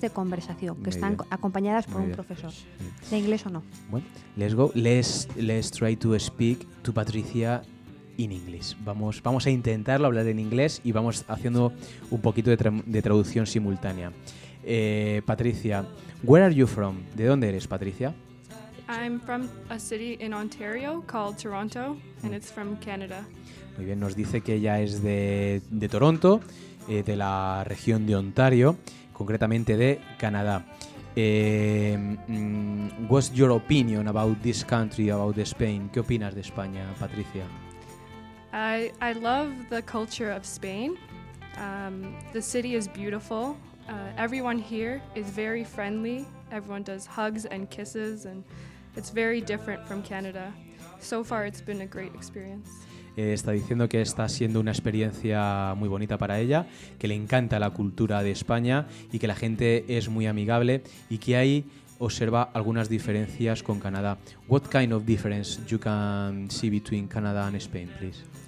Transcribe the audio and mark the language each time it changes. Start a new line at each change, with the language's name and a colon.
Spanish: de conversación, que están acompañadas por un profesor. ¿De inglés o no?
English: Bueno, let's go. Let's try to speak to Patricia in English.
Spanish: Vamos a intentarlo hablar en inglés y vamos haciendo un poquito de traducción simultánea.
English: Patricia, where are you from?
Spanish: ¿De dónde eres, Patricia?
English: I'm from a city in Ontario called Toronto and it's from Canada.
Spanish: Muy bien, nos dice que ella es de Toronto, de la región de Ontario, concretamente de Canadá.
English: What's your opinion about this country, about Spain?
Spanish: ¿Qué opinas de España, Patricia?
English: I love the culture of Spain. The city is beautiful. Everyone here is very friendly. Everyone does hugs and kisses, and it's very different from Canada. So far, it's been a great experience.
Spanish: Está diciendo que está siendo una experiencia muy bonita para ella, que le encanta la cultura de España y que la gente es muy amigable y que ahí observa algunas diferencias con Canadá.
English: What kind of difference you can see between Canada and Spain, please?